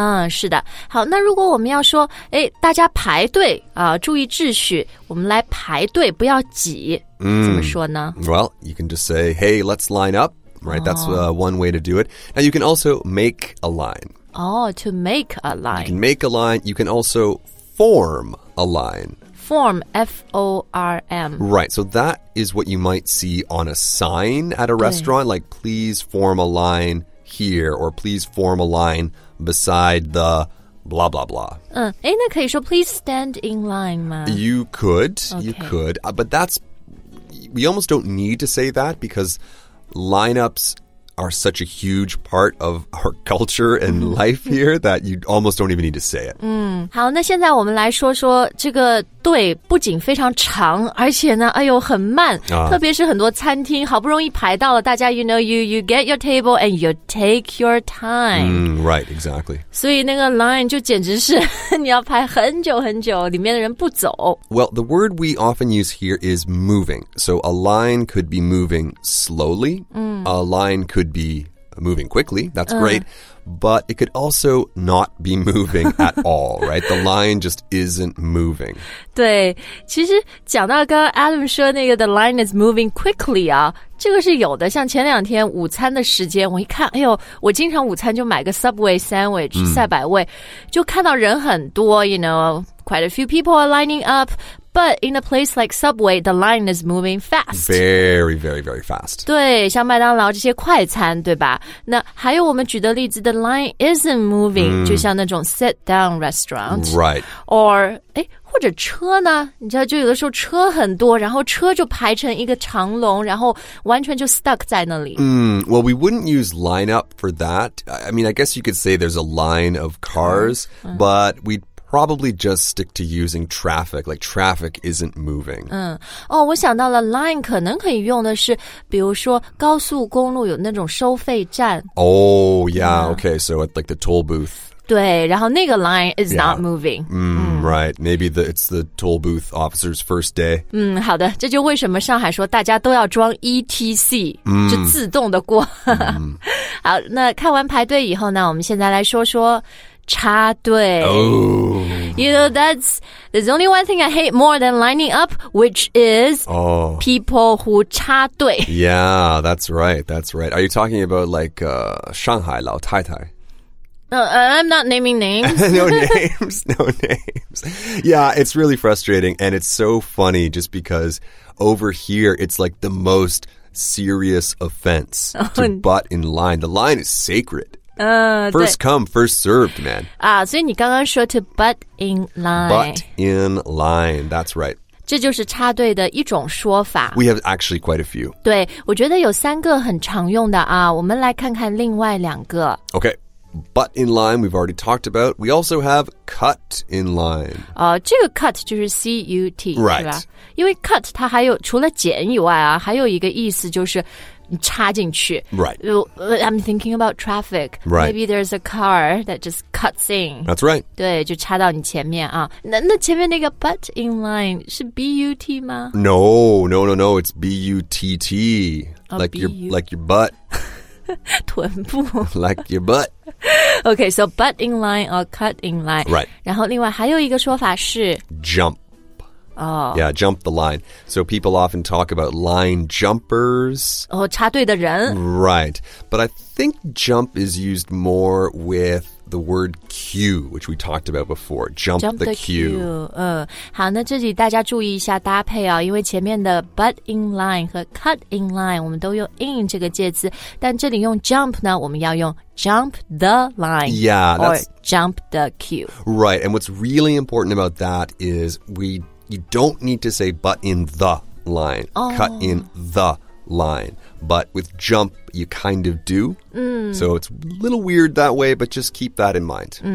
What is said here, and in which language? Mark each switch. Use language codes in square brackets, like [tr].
[zh] 是的好那如果我们要说哎大家排队啊、注意秩序我们来排队不要挤、怎么说呢 [en] Well, you can just say Hey, let's line up Right, that's one way to do it And you can also make a line to make a line You can make a line You can also form a line Form, F-O-R-M. Right, so that is what you might see on a sign at a restaurant, like please form a line here, or please form a line beside the blah blah blah. [zh] 那可以说 [en] please stand in line [zh] 吗? [en] You could,、okay. you could, but that's, we almost don't need to say that because lineups... are such a huge part of our culture and life here that you almost don't even need to say it. [zh] 好那现在我们来说说这个队不仅非常长而且呢哎呦很慢、特别是很多餐厅好不容易排到了大家 [en] you know you get your table and you take your time.、 right, exactly. [zh] 所以那个 line 就简直是你要排很久很久里面的人不走。 [en] Well, the word we often use here is moving. So a line could be moving slowly.、A line could be moving quickly, that's great, but it could also not be moving at all, right? The line just isn't moving. [zh] 对,其实讲到刚刚 Adam 说那个 [en] the line is moving quickly [zh] 啊,这个是有的,像前两天午餐的时间,我一看,哎呦,我经常午餐就买个 Subway sandwich, 赛百味,就看到人很多, [en] you know, quite a few people are lining up, But in a place like Subway, the line is moving fast. Very, very, very fast. [zh] 对，像麦当劳这些快餐，对吧？那还有我们举的例子 ， [en] the line isn't moving， [zh] 就像那种 [en] sit down restaurant， right？ [zh] Or 哎，或者车呢？你知道，就有的时候车很多，然后车就排成一个长龙，然后完全就 stuck 在那里。 [en] Well, we wouldn't use line up for that. I mean, I guess you could say there's a line of cars, but we'd probably just stick to using traffic, like traffic isn't moving. [zh] 我想到了 line 可能可以用的是比如说高速公路有那种收费站。 [en] Okay, so at like the toll booth. [zh] 对，然后那个 [en] line is not moving. Right, maybe it's the toll booth officer's first day. [zh] 好的，这就为什么上海说大家都要装 ETC,就自动的过。好，那看完排队以后呢，我们现在来说说插队。 [en] You know, there's only one thing I hate more than lining up, which is people who [zh] 插队. [en] Yeah, that's right, that's right. Are you talking about like Shanghai [zh] 老太太? [en] I'm not naming names. No names. Yeah, it's really frustrating, and it's so funny just because over here, it's like the most serious offense to butt in line. The line is sacred. First come, first served, man. [zh] 所以你刚刚说 [en] to butt in line. Butt in line, that's right. [zh] 这就是插队的一种说法。 [en] We have actually quite a few. [zh] 对，我觉得有三个很常用的啊，我们来看看另外两个。 [en] Okay, butt in line, we've already talked about. We also have cut in line. [zh] 这个 cut 就是 C-U-T, [en] right. [zh] 是吧？因为 cut 它还有除了剪以外啊，还有一个意思就是插进去 [en] right. I'm thinking about traffic. Right. Maybe there's a car that just cuts in. That's right. [zh] 对，就插到你前面啊。那前面那个 [en] butt in line [zh] 是 [en] B U T [zh] 吗？ [en] No. It's B U T T. Like your butt. [zh] 臀部 [en] Like your butt. Okay, so butt in line or cut in line. Right. [zh] 然后另外还有一个说法是 [en] jump. Yeah, jump the line. So people often talk about line jumpers. [zh] 插队的人。 [en] Right. But I think jump is used more with the word queue, which we talked about before. Jump the queue. [zh] 好，那这里大家注意一下搭配啊，因为前面的 [en] butt in line [zh] 和 [en] cut in line [zh] 我们都用 in 这个介词，但这里用 jump 呢，我们要用 [en] Jump the line. Yeah, or jump the queue. Right, and what's really important about that is you don't need to say but in the line, cut in the line. But with jump, you kind of do. So it's a little weird that way, but just keep that in mind.